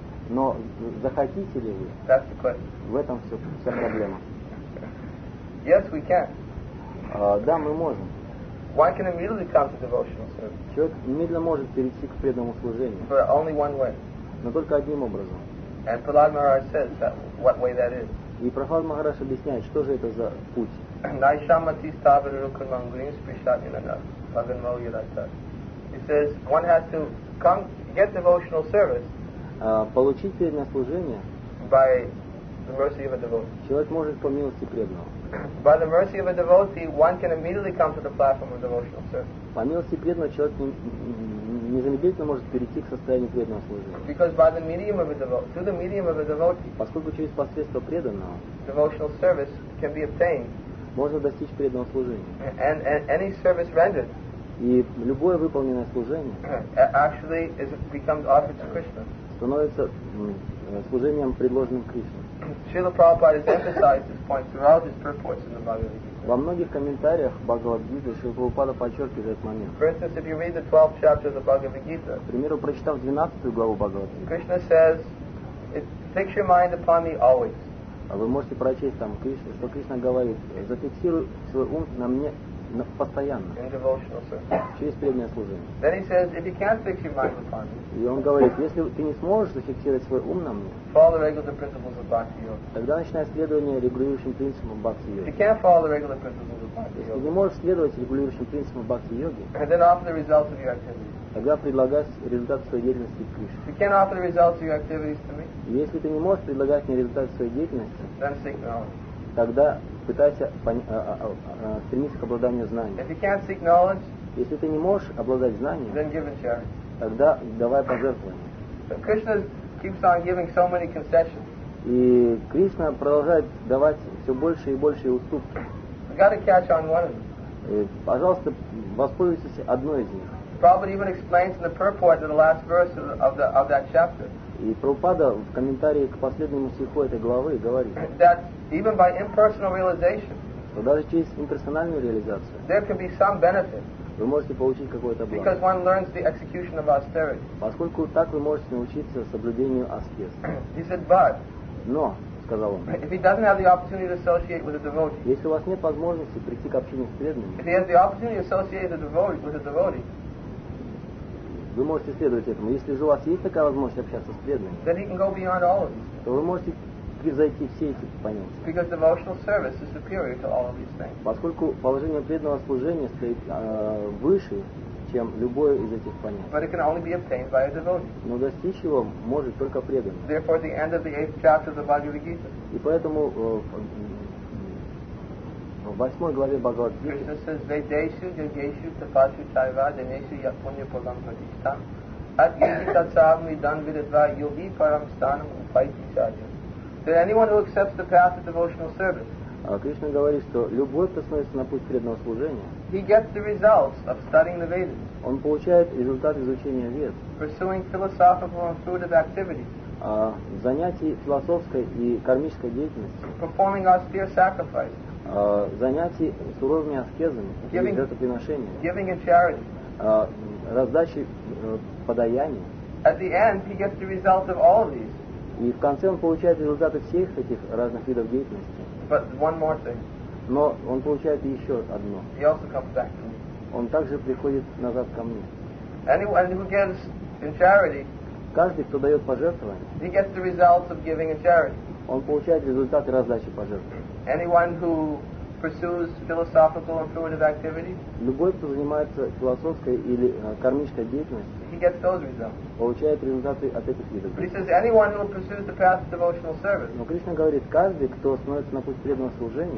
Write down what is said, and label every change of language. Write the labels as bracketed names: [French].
[Russian] Но захотите ли вы? [English] That's the question. [Russian] В этом вся проблема. [English] Yes, we can. [Russian] Да, мы можем. [English] One can immediately come to devotional service. [Russian] Человек немедленно может перейти к преданному служению. [English] But only one way. [Russian] Но только одним образом. [English] And Prahlad Maharaj says that, what way that is. [Russian] И Прохлад Махараш объясняет, что же это за путь. Найшамати ставер рукан мангринс пришат инага паган мол юрата. [English] He says, one has to come, get devotional service. [Russian] Получить преданное служение. [English] By the mercy of a devotee. [Russian] Человек может по милости преданного. [English] By the mercy of a devotee, one can immediately come to the platform of devotional service. [Russian] По милости преданного человек незамедлительно может перейти к состоянию преданного служения. [English] Because by the medium of a devotee, through the medium of a devotee. [Russian] Поскольку через посредство преданного. [English] Devotional service can be obtained. [Russian] Можно достичь преданного служения. [English] And any service rendered. [Russian] И любое выполненное служение. [English] Actually, is becomes offered to Krishna. [Russian] Становится служением, предложенным Кришне. [English] Srila Prabhupada has emphasized this point throughout his purports in the Bhagavad Gita. [Russian] Во многих комментариях Бхагавад Гиты Шрила Прабхупада подчеркивает этот момент. [English] For instance, if you read the 12th chapter of the Bhagavad Gita, [Russian] к примеру, прочитав 12 главу Бхагавад Гиты, [English] Krishna says, fix your mind upon me always. [Russian] Вы можете прочесть там, что Кришна говорит, зафиксируй свой ум на мне постоянно. [English] In devotional service. [Russian] Через преданное служение. [English] Then he says, if you can't fix your mind upon me, [Russian] и он говорит, если ты не сможешь зафиксировать свой ум на мне, [English] follow the regular principles of Bhakti-yoga. [Russian] Тогда начинай следование регулирующим принципам Бхакти-йоги. [English] If you can't follow the regular principles of Bhakti-yoga, [Russian] если ты не можешь следовать регулирующим принципам Бхакти-йоги, [English] and then offer the results of your activities. [Russian] Тогда предлагай результат своей деятельности Кришне. [English] If you can't offer the results of your activities to me, [Russian] если ты не можешь предлагать мне результат своей деятельности, [English] then seek knowledge. [Russian] Тогда пытайся стремиться к обладанию знанием. [English] If you can't seek knowledge, [Russian] если ты не можешь обладать знанием, [English] then give a charity. [Russian] Тогда давай пожертвование. [English] Krishna keeps on giving so many concessions. [Russian] И Кришна продолжает давать все больше и больше уступки. [English] You gotta catch on one of them. [Russian] И, пожалуйста, воспользуйтесь одной из них. [English] Prabhupada even explains in the purport of the last verse of that chapter. [Russian] И Прабхупада в комментарии к последнему стиху этой главы говорит, [English] that even by impersonal realization, [Russian] что даже через имперсональную реализацию, [English] there can be some benefit. [Russian] Вы можете получить какое-то благо. [English] Because one learns the execution of austerity. [Russian] Поскольку так вы можете научиться соблюдению аскез. [English] He said, but. [Russian] Но, сказал он. [English] If he doesn't have the opportunity to associate with a devotee. [Russian] Если у вас нет возможности прийти к общению с преданными. [English] If he has the opportunity to associate with a devotee, [Russian] вы можете следовать этому. Если же у вас есть такая возможность общаться с преданными. [English] Then he can go beyond all of these. [Russian] То вы можете превзойти все эти понятия. [English] Because devotional service is superior to all of these things. [Russian] Поскольку положение преданного служения стоит выше, чем любое из этих понятий. [English] But it can only be obtained by a devotee. [Russian] Но достичь его может только преданный. [English] Therefore, the end of the eighth chapter of the Bhagavad Gita. [Russian] И поэтому в восьмой главе Бхагавад Гиты [Sanskrit] Krishna says, Vedeshu, Yageshu, Tapasu, Chaiva, Deneshu, Yapunya, Pulam, Pratishta, At Yogi, Tatsavmi, Danvidadva, Yogi, Param, Stanam, Upaiti, Chajam. [English] That anyone who accepts the path of devotional service, [Russian] А Кришна говорит, что любовь становится на путь преданного служения. [English] He gets the results of studying the Vedas. [Russian] Он получает результат изучения Вед. [English] Pursuing philosophical and intuitive activities. [Russian] Занятий философской и кармической деятельностью. [English] Performing austere sacrifice. [Russian] Занятий суровыми аскезами, [English] giving, [Russian] и жертвоприношениями. [English] Giving a charity. [Russian] Раздачи подаяния. [English] At the end, he gets the result of all of these. [Russian] И в конце он получает результаты всех этих разных видов деятельности. [English] But one more thing. [Russian] Но он получает еще одно. [English] He also comes back to me. [Russian] Он также приходит назад ко мне. [English] Anyone who gives in charity, [Russian] каждый, кто дает пожертвование, [English] he gets the results of giving a charity. [Russian] Он получает результаты раздачи пожертвований. [English] Anyone who pursues philosophical and intuitive activity, [Russian] любой, кто занимается философской или кармической деятельностью, [English] he gets those results. [Russian] Получает результаты от этих видов. [English] He says anyone who pursues the path of devotional service. [Russian] Но Кришна говорит, каждый, кто становится на путь преданного служения,